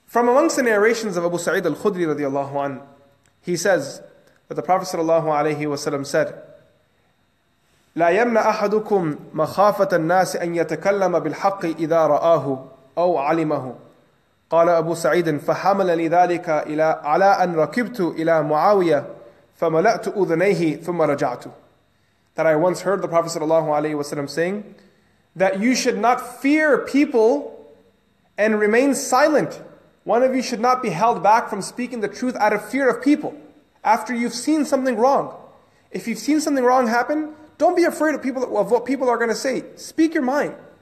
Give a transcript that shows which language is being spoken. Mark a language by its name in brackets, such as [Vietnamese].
[English] From amongst the narrations of Abu Sa'id al-Khudri radiallahu anhu, he says that the Prophet ﷺ said, [Arabic] لا يمنع أحدكم مخافة الناس أن يتكلم بالحق إذا رآه أو علمه. قال أبو سعيد فحمل لذلك إلى على أن ركبت إلى معاوية فملأت أذنيه ثم رجعت. [English] That I once heard the Prophet sallallahu alaihi wasallam saying that you should not fear people and remain silent. One of you should not be held back from speaking the truth out of fear of people. After you've seen something wrong, if you've seen something wrong happen, don't be afraid of what people are going to say. Speak your mind.